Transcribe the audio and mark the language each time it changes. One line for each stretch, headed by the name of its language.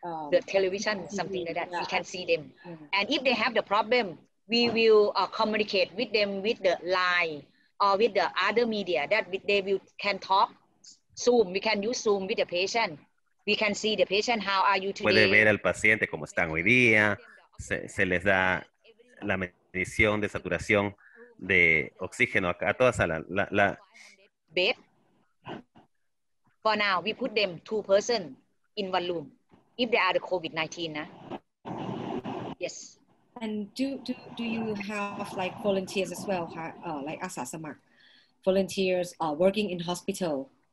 English: The television, something like that. We can see them. And if they have the problem, we will communicate with them with the line or with the other media that they will can talk. Zoom, we can use Zoom with the patient. We can see the patient, how are you today?
Spanish: Puede ver al paciente cómo están hoy día. Se les da la medición de saturación de oxígeno a toda sala.
English: Bed. For now, we put them 2 person in 1 room if they are the COVID-19, nah? Yes. And do you have like volunteers as well, like Asa Samak, volunteers working in hospital?